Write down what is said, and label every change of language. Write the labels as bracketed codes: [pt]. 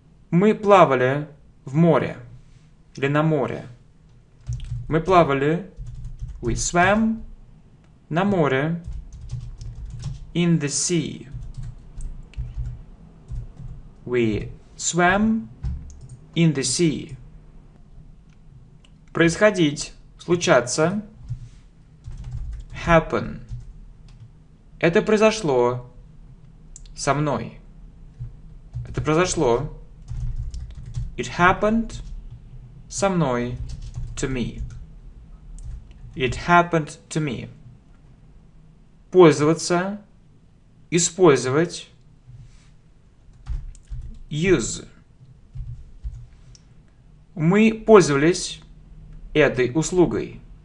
[ru] Мы плавали в море или на море. Мы плавали. [en] We swam [ru] на море. [en] In the sea. We swam in the sea. [ru] Происходить, случаться. [en] Happen. [ru] Это произошло со мной. Это произошло. [en] It happened [ru] со мной, [en] to me. It happened to me. [ru] Пользоваться, использовать. [en] Use. [ru] Мы пользовались этой услугой.